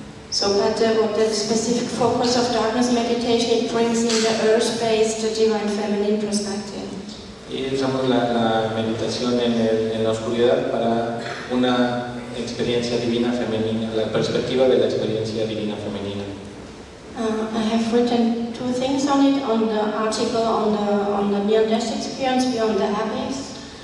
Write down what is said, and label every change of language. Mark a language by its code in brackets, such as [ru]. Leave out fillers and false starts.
[en] So, but what the specific focus of darkness meditation brings in the earth-based divine feminine perspective. [es] Y usamos la meditación en la oscuridad para una experiencia divina femenina, la perspectiva de la experiencia divina femenina. [en] I have written two things on it, on the article on the near-death experience beyond the abyss.